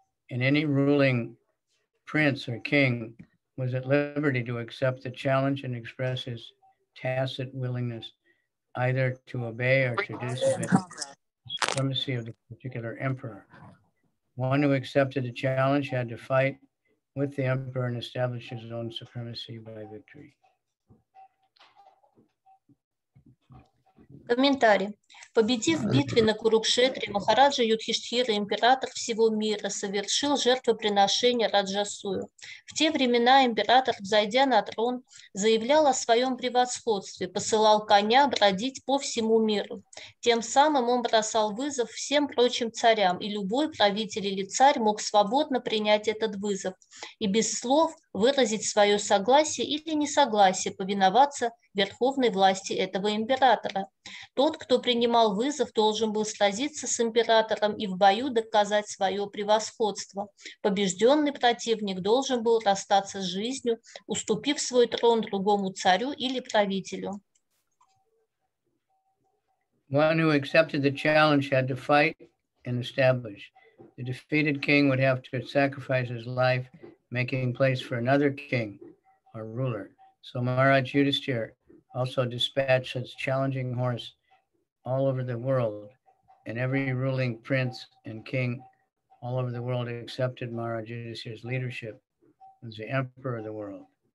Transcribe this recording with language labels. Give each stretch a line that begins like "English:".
English: And any ruling prince or king was at liberty to accept the challenge and express his tacit willingness either to obey or to disobey. Supremacy of the particular emperor. One who accepted the challenge had to fight with the emperor and establish his own supremacy by victory.
Russian: Комментарий. Победив в битве на Курукшетре, Махараджа Юдхиштхира, император всего мира, совершил жертвоприношение Раджасую. В те времена император, взойдя на трон, заявлял о своем превосходстве, посылал коня бродить по всему миру. Тем самым он бросал вызов всем прочим царям, и любой правитель или царь мог свободно принять этот вызов и без слов выразить свое согласие или несогласие повиноваться верховной власти этого императора. Тот, кто принимал вызов, должен был сразиться с императором и в бою доказать свое превосходство. Побежденный противник должен был расстаться с жизнью, уступив свой трон другому царю или правителю.
English: One who accepted the challenge had to fight and establish. The defeated king would have to sacrifice his life, making place for another king or ruler. So Maharaj Yudhisthira also dispatched his challenging horse all over the world, and every ruling prince and king all over the world accepted Maharaj Yudhisthira's leadership as the emperor of the world.